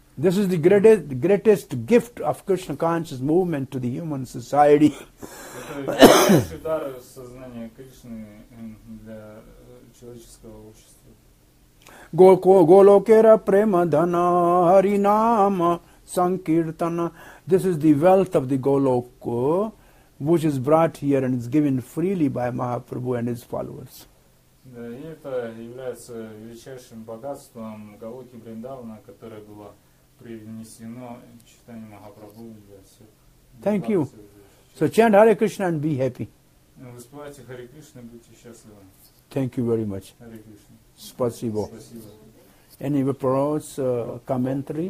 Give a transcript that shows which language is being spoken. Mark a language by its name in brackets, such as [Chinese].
[English] This is the greatest gift of Krishna conscious movement to the human society. [Russian] Это дар сознания Кришны для человеческого общества. [Bangla] Golokera prema dhana hari nama sankirtana. [English] This is the wealth of the Goloka, which is brought here and is given freely by Mahaprabhu and his followers. [Russian] Это является величайшим богатством Голоки Вриндавана, которое было принесено Чайтанья Махапрабху для всех. [English] Thank you. So chant Hare Krishna and be happy. [Russian] Воспевайте Харе Кришна, будьте счастливы. [English] Thank you very much. Hare Krishna. [Russian] Спасибо. Спасибо. Any вопрос, комментарий?